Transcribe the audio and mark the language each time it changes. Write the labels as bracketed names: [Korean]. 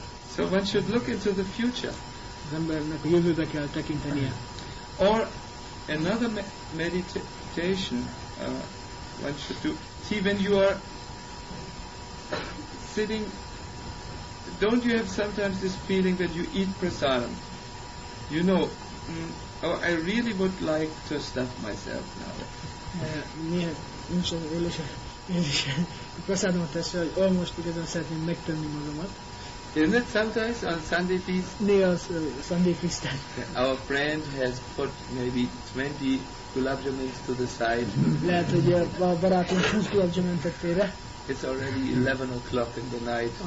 [English] So one should look into the future. [Hungarian] Az embernek a jövőbe kell tekintenie. [English] Or another meditation one should do. See, when you are sitting, don't you have sometimes this feeling that you eat prasadam? You know, oh, I really would like to stuff myself now. Isn't it sometimes on Sunday feast? Yes, Sunday feast. Our friend has put maybe 20 gulab jamuns to the side. [Hungarian] Lehet, hogy a barátunk 20 gulab jamun tettére. [English] It's already 11 o'clock in the night.